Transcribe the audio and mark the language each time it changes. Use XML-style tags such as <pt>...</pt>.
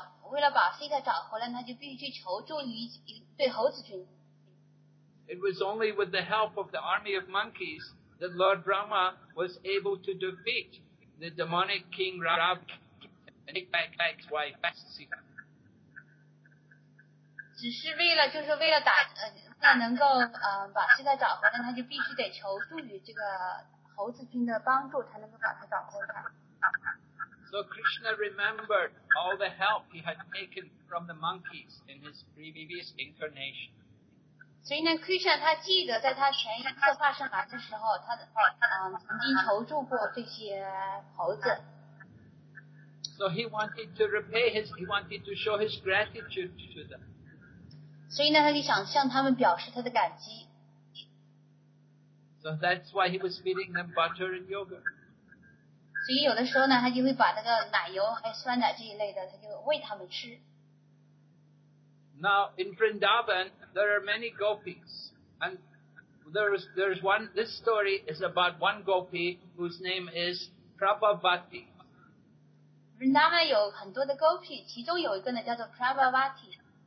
<zh>为了把 Sita 找回来，他就必须去求助于一对猴子群。</zh> <en>It was only with the help of the army of monkeys that Lord Rama was able to defeat the demonic king Ravana and take back his wife Sita.</en> <zh>只是为了，就是为了打，为了能够，把西塔找回来，他就必须得求助于这个猴子君的帮助，才能够把他找回来。</zh> <en>So Krishna remembered all the help he had taken from the monkeys in his previous incarnation.</en> <zh>所以呢 ，Krishna 他记得在他前一次化身来的时候，他的，曾经求助过这些猴子。</zh> <en>So he wanted to repay his, he wanted to show his gratitude to them.</en> <zh>所以呢，他就想向他们表示他的感激。</zh> <en>So that's why he was feeding them butter and yogurt.</en> <zh>所以有的时候呢，他就会把那个奶油还有酸奶这一类的，他就喂他们吃。</zh> <en>Now in Vrindavan there are many gopis, and there's one. This story is about one gopi whose name is Prabhavati.</en> <zh>Vrindavan 有很多的 gopi, 其中有一个呢叫做 Prabhavati.</zh>